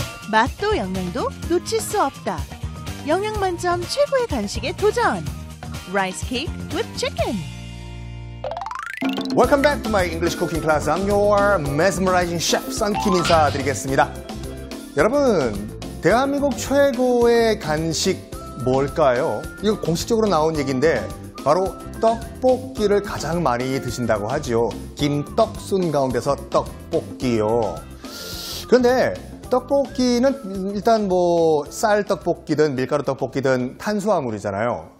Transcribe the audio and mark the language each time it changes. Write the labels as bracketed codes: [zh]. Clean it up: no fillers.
[ko] 맛도 영양도 놓칠 수 없다. 영양 만점 최고의 간식에 도전. [en] Rice cake with chicken. Welcome back to my English cooking class. I'm your mesmerizing chef, 썬킴 [ko] 인사드리겠습니다. 여러분, 대한민국 최고의 간식 뭘까요? 이거 공식적으로 나온 얘기인데 바로 떡볶이를 가장 많이 드신다고 하죠. 김떡순 가운데서 떡볶이요. 그런데 떡볶이는 일단 뭐 쌀 떡볶이든 밀가루 떡볶이든 탄수화물이잖아요.